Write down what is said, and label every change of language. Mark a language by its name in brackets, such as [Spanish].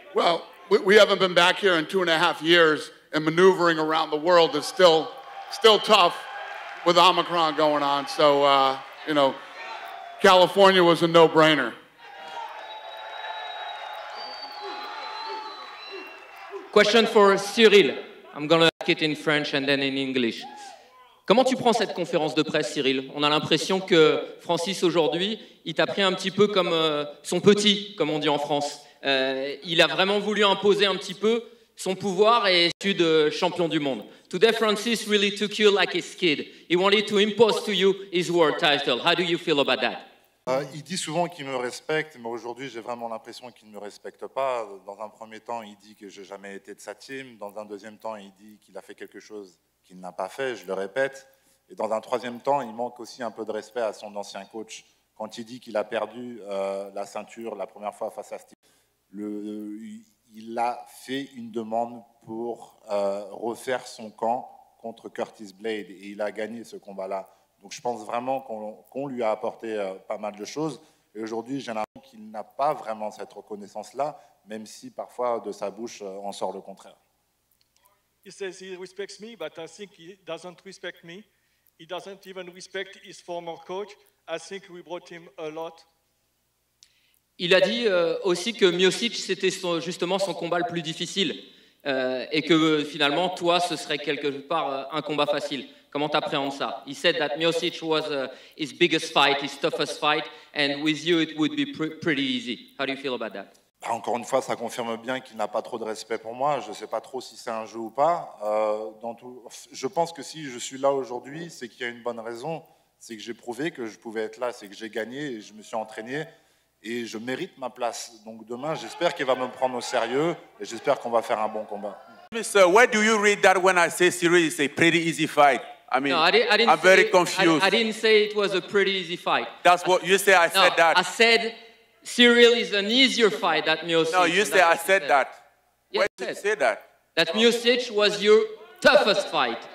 [English] Well, we haven't been back here in 2.5 years, and maneuvering around the world is still tough with Omicron going on, so, you know, California was a no-brainer. Question for Ciryl. I'm going to ask it in French and then in English. [French] Comment tu prends cette conférence de presse, Ciryl? On a l'impression que Francis, aujourd'hui, il t'a pris un petit peu comme son petit, comme on dit en France. Il a vraiment voulu imposer un petit peu son pouvoir et su de champion du monde. [English] Today, Francis really took you like his kid. He wanted to impose to you his world title. How do you feel about that? [French] Il dit souvent qu'il me respecte, mais aujourd'hui, j'ai vraiment l'impression qu'il ne me respecte pas. Dans un premier temps, il dit que je n'ai jamais été de sa team. Dans un deuxième temps, il dit qu'il a fait quelque chose qu'il n'a pas fait, je le répète. Et dans un troisième temps, il manque aussi un peu de respect à son ancien coach quand il dit qu'il a perdu la ceinture la première fois face à Steve. il a fait une demande pour refaire son camp contre Curtis Blade et il a gagné ce combat-là. Donc je pense vraiment qu'on lui a apporté pas mal de choses. Et aujourd'hui, j'ai l'impression qu'il n'a pas vraiment cette reconnaissance-là, même si parfois de sa bouche on sort le contraire. [English] He says he respects me, but I think he doesn't respect me. He doesn't even respect his former coach. I think we brought him a lot. [French] Il a dit aussi que Miocic, c'était justement son combat le plus difficile et que finalement, toi, ce serait quelque part un combat facile. Comment t'appréhendes ça? [English] He said that Miocic was his biggest fight, his toughest fight, and with you, it would be pretty easy. How do you feel about that? [French] Bah, encore une fois, ça confirme bien qu'il n'a pas trop de respect pour moi. Je ne sais pas trop si c'est un jeu ou pas. Je pense que si je suis là aujourd'hui, c'est qu'il y a une bonne raison. C'est que j'ai prouvé que je pouvais être là, c'est que j'ai gagné et je me suis entraîné. Et je mérite ma place. Donc demain, j'espère qu'il va me prendre au sérieux et j'espère qu'on va faire un bon combat. [English] Mr. Where do you read that when I say Ciryl is a pretty easy fight? I mean, I'm very confused. I didn't say it was a pretty easy fight. That's what you say. I said that. I said Ciryl is an easier fight than Miocic. No, you say I said that. Where did you say that? That Miocic was your toughest fight.